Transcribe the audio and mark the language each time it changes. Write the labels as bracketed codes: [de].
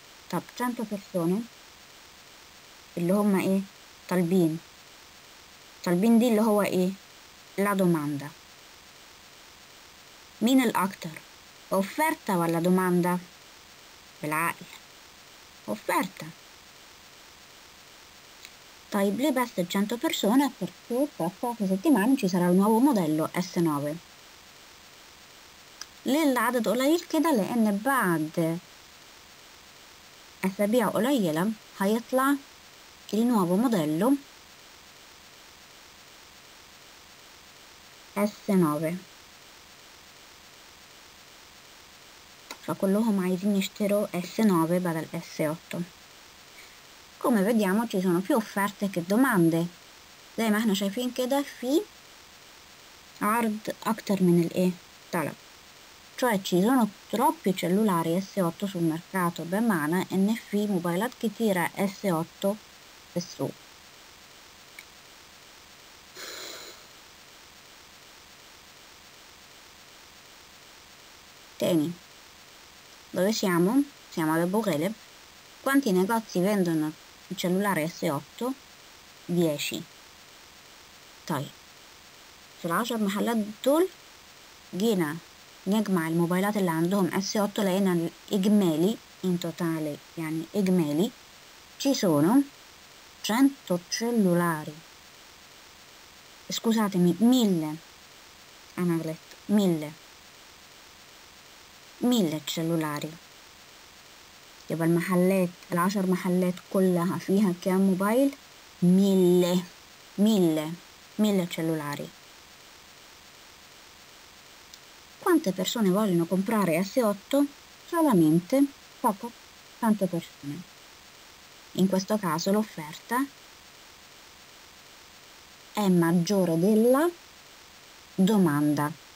[ar] طب 100 persone اللي هما إيه؟ طالبين. طالبين دي اللي هو إيه؟ لا دوماندا. مين الأكتر؟ أوفرتة ولا دوماندا؟ بالعقل، أوفرتة. طيب ليه بس 100 persone؟ [it] Perché tra poche settimane ci sarà il nuovo modello S9. [ar] ليه العدد قليل كده؟ لأن بعد أسابيع قليلة هيطلع النوفو موديلو S9، فكلهم عايزين يشتروا S9 بدل S8. [it] come vediamo ci sono più offerte che domande. [ar] زي ما احنا شايفين كده في عرض أكتر من الإيه؟ طلب. [it] Cioè ci sono troppi cellulari S8 sul mercato, [ar] بمعنى إن في موبايلات كتيرة S8 في السوق. تاني، [it] dove siamo? Siamo ad Abu Ghraib. Quanti negozi vendono il cellulare S8? 10. [ar] طيب في ال10 محلات دول جينا نجمع الموبايلات اللي عندهم S8، لقينا الإجمالي [it] in totale، [ar] يعني إجمالي [it] ci sono 100 cellulari، scusatemi، 1000، أنا غلطت، 1000 cellulari. [ar] يبقى المحلات، ال10 محلات كلها فيها كام موبايل؟ [it] 1000 cellulari. Quante persone vogliono comprare S8? Solamente poco, tante persone. In questo caso l'offerta è maggiore della domanda.